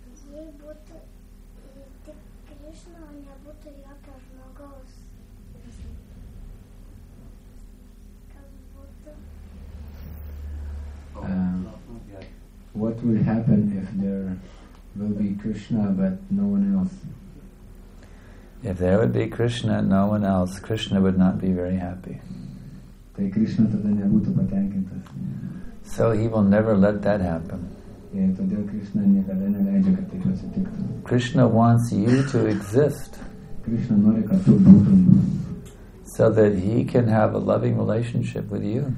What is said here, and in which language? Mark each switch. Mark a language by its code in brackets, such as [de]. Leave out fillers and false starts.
[lt] Jei būtų tik Krishna, o nebūtų jokio žmogaus, kas būtų? [en] What will happen if there will be Krishna but no one else? If there would be Krishna and no one else, Krishna would not be very happy. [lt] Tai Krishna tada nebūtų patenkintas. [en] So he will never let that happen. [lt] Ir todėl Krishna niekada neleidžia, kad taip atsitiktų. [en] Krishna wants you to exist. [lt] Krishna nori, kad tu būtum. [en] So that he can have a loving relationship with you.